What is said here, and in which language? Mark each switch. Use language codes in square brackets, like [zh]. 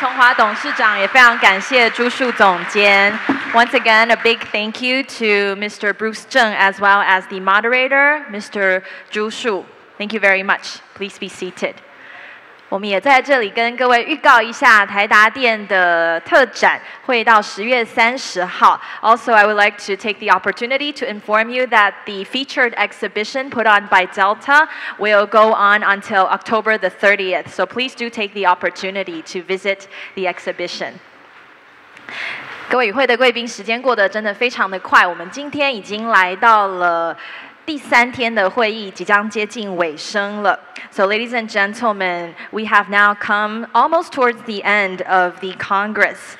[zh] 谢谢，非常谢谢郑从华董事长，也非常感谢朱树总监。 [en] Once again, a big thank you to Mr. Bruce Zheng as well as the moderator, Mr. Zhu Shu. Thank you very much. Please be seated. [zh] 我们也在这里跟各位预告一下台达电的特展会到10月30号。 [en] Also, I would like to take the opportunity to inform you that the featured exhibition put on by Delta will go on until October the 30th. So please do take the opportunity to visit the exhibition. [zh] 各位与会的贵宾，时间过得真的非常的快，我们今天已经来到了 第三天的会议即将接近尾声了。 [en] So ladies and gentlemen, we have now come almost towards the end of the Congress.